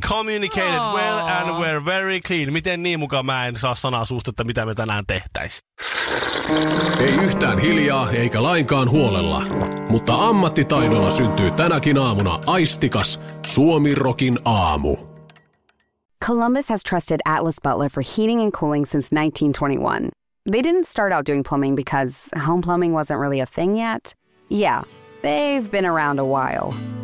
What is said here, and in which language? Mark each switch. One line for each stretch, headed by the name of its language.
English: Communicated well and were very clean.
Finnish: Miten niin mukaan mä en saa sanaa suusta, että mitä me tänään tehtäis? Ei yhtään hiljaa eikä lainkaan huolella, mutta ammattitaidolla syntyy tänäkin aamuna aistikas Suomi-rokin aamu.
English: Columbus has trusted Atlas Butler for heating and cooling since 1921. They didn't start out doing plumbing because home plumbing wasn't really a thing yet. Yeah, they've been around a while.